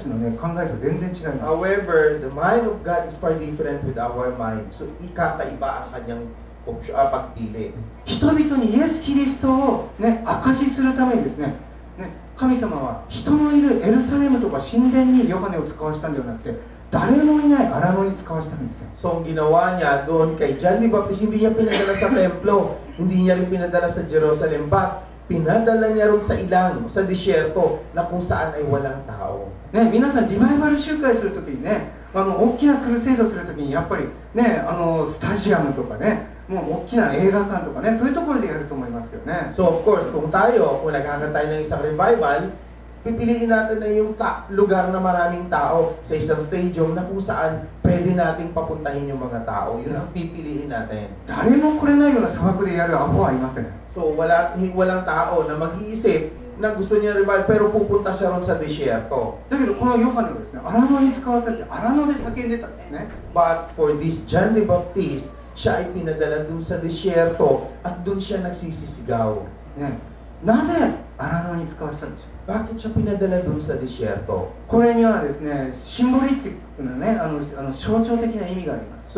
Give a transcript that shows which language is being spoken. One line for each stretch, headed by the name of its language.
English: However, the mind of God is far different with our mind.
Filipino: So, ikakaiba ang kanyang opsyon, pagpili.
Japanese: 人々にイエス・キリストを、ね、明かしするためにですね、ね、神様は人のいるエルサレムとか神殿にヨハネを使わしたんではなくて、誰もいない荒野に使わしたんですよ。
Filipino: So, ang ginawa niya doon kay John the Baptist, hindi niya pinadala sa templo, hindi niya rin pinadala sa Jerusalem, but pinadala niya rin sa ilang, sa disyerto, na kung saan ay walang tao.
Japanese: ね、皆さん、リバイバル集会するときにね、大きなクルセードするときに、やっぱりね、スタジアムとかね、もう大きな映画館とかね、そういうところでやると思いますけどね。
English: So, of course,
Filipino: kung tayo, kung naghanga tayo ng isang revival,pipiliin natin na yung lugar na maraming tao sa isang stadium na kung saan pwede nating papuntahin yung mga tao. Yun ang pipiliin natin.
Japanese: 誰も来れないような砂漠でやるアホはいません。
Filipino: So, walang tao na mag-iisip na gusto niya revival pero pupunta siya ron sa desierto.
Japanese: だけどこのヨハネはですね、荒野に使わされて荒野で叫んでたんですね。
English: But for this
Filipino: John the Baptist, siya ay pinadala dun sa desierto at dun siya nagsisisigaw.
Japanese: なぜ荒野に使わせたんでしょう。
Filipino: Bakit siya pinadala dun sa desierto?
Japanese: これにはですね、シンボリックなね、象徴的な意味があります。